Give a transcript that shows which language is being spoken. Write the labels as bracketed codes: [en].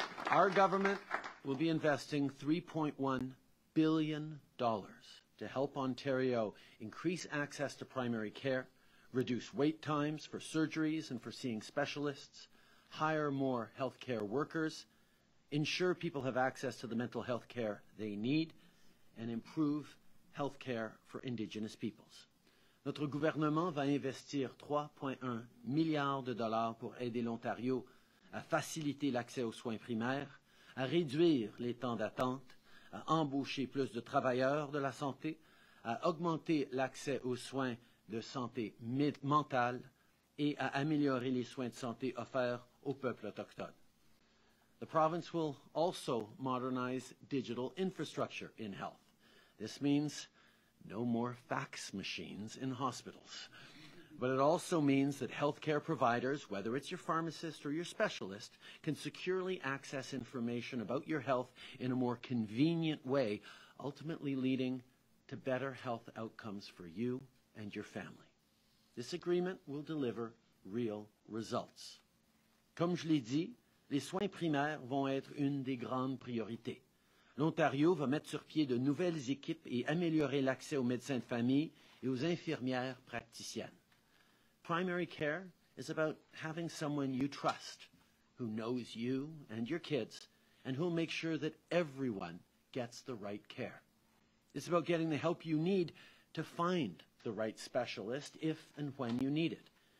[en] Our government will be investing $3.1 billion to help Ontario increase access to primary care, reduce wait times for surgeries and for seeing specialists, hire more health care workers, ensure people have access to the mental health care they need, and improve health care for Indigenous peoples. [fr] Notre gouvernement va investir $3.1 billion pour aider l'Ontario à faciliter l'accès aux soins primaires, à réduire les temps d'attente, à embaucher plus de travailleurs de la santé, à augmenter l'accès aux soins de santé mentale et à améliorer les soins de santé offerts au peuple autochtone. [en] The province will also modernize digital infrastructure in health. This means no more fax machines in hospitals. But it also means that healthcare providers, whether it's your pharmacist or your specialist, can securely access information about your health in a more convenient way, ultimately leading to better health outcomes for you and your family. This agreement will deliver real results. [fr] Comme je l'ai dit, les soins primaires vont être une des grandes priorités. L'Ontario va mettre sur pied de nouvelles équipes et améliorer l'accès aux médecins de famille et aux infirmières praticiennes. [en] Primary care is about having someone you trust, who knows you and your kids, and who will make sure that everyone gets the right care. It's about getting the help you need to find the right specialist if and when you need it.